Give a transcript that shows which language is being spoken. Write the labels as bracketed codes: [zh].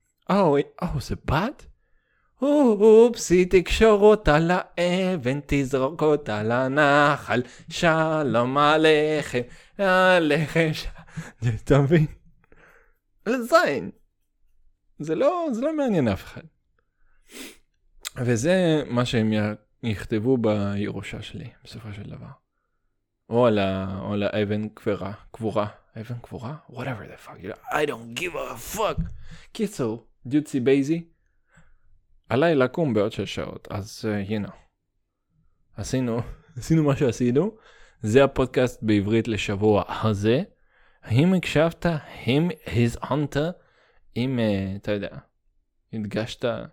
[he] אוו, זה בת? אופסי, תקשור אותה לאבן, תזרוק אותה לנחל, שלום עליכם, עליכם, שלום. אתה מבין? לזיין. זה לא מעניין אף אחד. וזה מה שהם יכתבו בירושה שלי, בסופו של דבר. או על האבן קברה, קבורה, אבן קבורה? [en] Whatever the fuck, I don't give a fuck. [he] קיצור, דיוצי בייזי, עליי לקום בעוד 6 שעות, אז עשינו מה שעשינו, זה הפודקאסט בעברית לשבוע הזה, האם הקשבת, האם הזענת, אם אתה יודע, הדגשת,